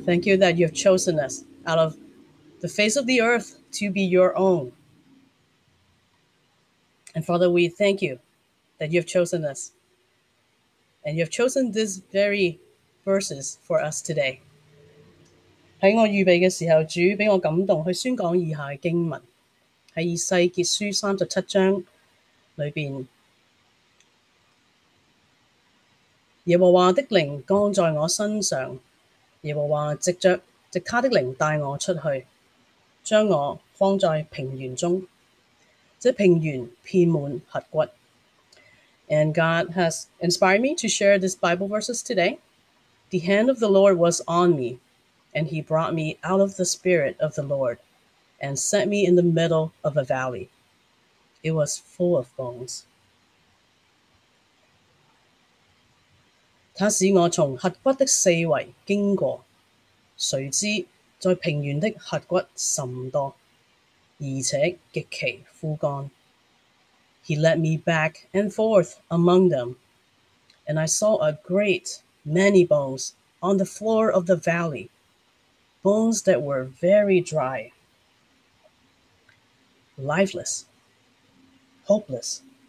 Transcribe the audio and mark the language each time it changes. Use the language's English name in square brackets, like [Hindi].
[English] Thank you that you've chosen us out of the face of the earth to be your own. And Father, we thank you that you have chosen us. And you have chosen these very verses for us today. [Chinese] 在我预备的时候，主给我感动去宣讲以下的经文。在以西结书37章里面，耶和华的灵降在我身上，耶和华藉他的灵带我出去，将我放在平原中，这平原遍满核骨。 [English] And God has inspired me to share this Bible verses today. The hand of the Lord was on me, and he brought me out of the spirit of the Lord and set me in the middle of a valley. It was full of bones. [Chinese] 他使我从核骨的四围经过，谁知在平原的核骨甚多，而且极其枯干。 [English] He led me back and forth among them, and I saw a great many bones on the floor of the valley, bones that were very dry, lifeless, hopeless.